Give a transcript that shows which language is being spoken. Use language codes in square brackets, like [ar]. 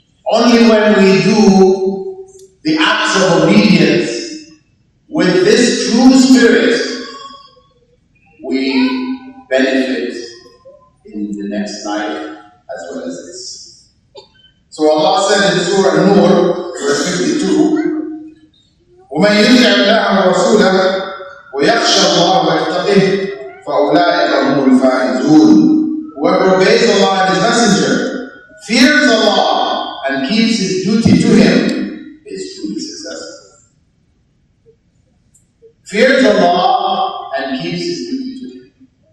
[en] Only when we do the acts of obedience with this true spirit, we benefit in the next life as well as this. So Allah said in Surah An-Nur, verse 52, [ar] وَمَنْ يُطِعِ اللَّهَ وَرَسُولَهُ وَيَخْشَى اللَّهَ وَيَتَّقِهِ فَأُولَٰئِكَ هُمُ الْفَائِزُونَ. [en] Whoever obeys Allah and His Messenger, fears Allah, and keeps His duty to Him, is truly successful. Fears Allah and keeps His duty to Him.